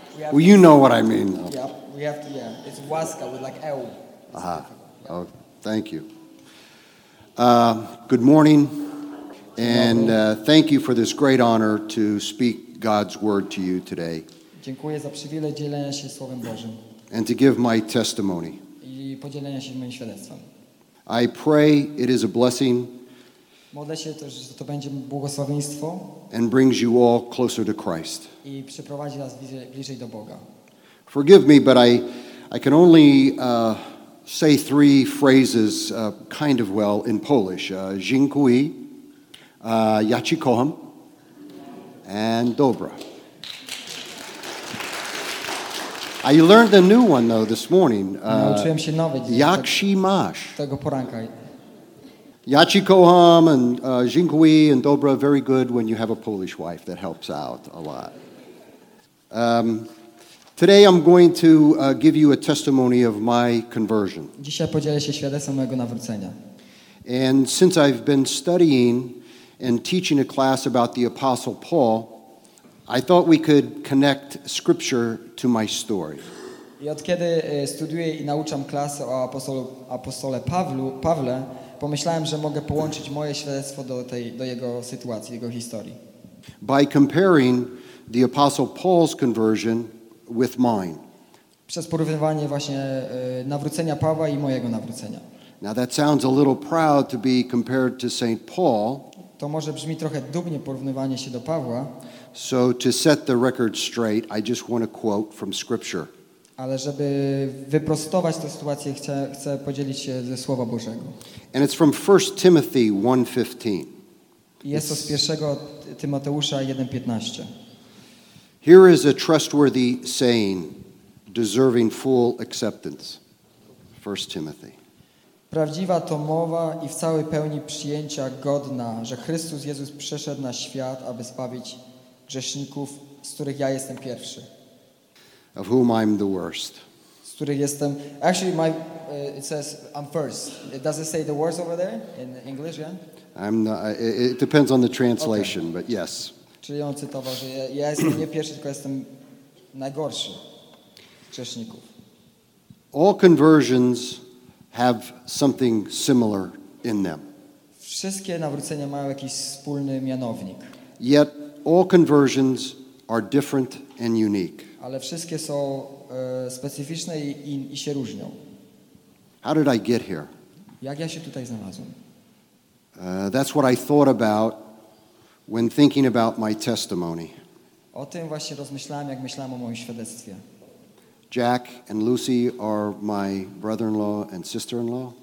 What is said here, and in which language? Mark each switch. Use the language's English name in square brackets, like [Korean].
[English] Well, you know what I mean. Though. Yeah, we have to, yeah. It's waska with like el. Oh, thank you. Good morning, and thank you for this great honor to speak God's word to you today. [Polish] Dziękuję za przywilej dzielenia się Słowem Bożym. [English] And to give my testimony. [Polish] I podzielenia się moim świadectwem. [English] I pray it is a blessing. [Polish] Modlę się też, że to będzie błogosławieństwo. [English] And brings you all closer to Christ. [Polish] I przyprowadzi nas bliżej do Boga. [English] Forgive me, but I can only say three phrases kind of well in Polish. [Polish] Dziękuję, ja ci kocham, and dobra. I learned a new one though this morning. Nauczyłem się nowy dzisiaj. Jak się masz? Tego poranka. Ja ci kocham, and dziękuję, and dobra. [English] Very good when you have a Polish wife that helps out a lot. Today I'm going to give you a testimony of my conversion. [Polish] Dzisiaj podzielę się świadectwem mojego nawrócenia. [English] And since I've been studying and teaching a class about the Apostle Paul, I thought we could connect scripture to my story. [Polish] I od kiedy studiuję i nauczam klasę o apostole Pawle, pomyślałem, że mogę połączyć moje świadectwo do jego sytuacji, jego historii. [English] By comparing the Apostle Paul's conversion with mine. [Polish] Przez porównywanie właśnie nawrócenia Pawła i mojego nawrócenia. [English] Now that sounds a little proud to be compared to Saint Paul. [Polish] To może brzmi trochę dumnie porównywanie się do Pawła. [English] So to set the record straight, I just want to quote from scripture. [Polish] Ale żeby wyprostować tę sytuację, chcę podzielić się ze Słowa Bożego. [English] And it's from 1 Timothy 1:15. [Polish] Jest to z 1 Tymoteusza 1:15. [English] Here is a trustworthy saying deserving full acceptance. 1 Timothy. [Polish] Prawdziwa to mowa i w całej pełni przyjęcia godna, że Chrystus Jezus przyszedł na świat, aby zbawić grzeszników, z których ja jestem pierwszy. [English] Of whom I'm the worst. [Polish] Z których jestem. [English] Actually, my it says I'm first. Does it say the worst over there in English, yeah? I'm not, it depends on the translation, okay. But yes. [Polish] Czyli on cytował, że ja jestem nie pierwszy, tylko jestem najgorszy grzeszników. [English] All conversions have something similar in them. [Polish] Wszystkie nawrócenia mają jakiś wspólny mianownik. [English] Yet all conversions are different and unique. [Polish] Ale wszystkie są specyficzne i się różnią. [English] How did I get here? [Polish] Jak ja się tutaj znalazłem? [English] That's what I thought about when thinking about my testimony. [Polish] O tym właśnie rozmyślałem, jak myślałem o moim świadectwie. [English] Jack and Lucy are my brother-in-law and sister-in-law.